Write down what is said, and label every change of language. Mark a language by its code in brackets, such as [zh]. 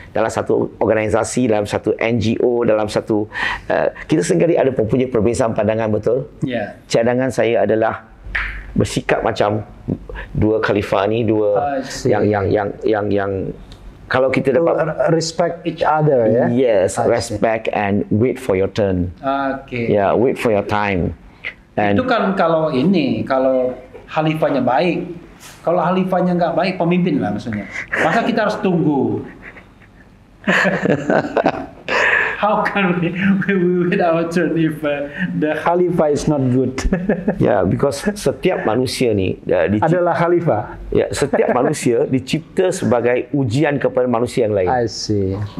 [ms] Dalam satu organisasi, dalam satu NGO, dalam satu... kita seringkali ada mempunyai perbezaan pandangan, betul? Ya. Cadangan saya adalah bersikap macam dua khalifah ni, dua yang kalau kita dapat [en] respect each other, ya. Yes, respect and wait for your turn. Okay. Yeah, wait for your time. [ms] And itu kan kalau ini, kalau khalifahnya baik. Kalau khalifahnya enggak baik, pemimpin lah maksudnya. Maka kita harus tunggu. [en] How can we wait our turn if the khalifah is not good? Yeah, because [ms] setiap manusia ni adalah khalifah. Yeah, setiap manusia dicipta sebagai ujian kepada manusia yang lain. [en] I see.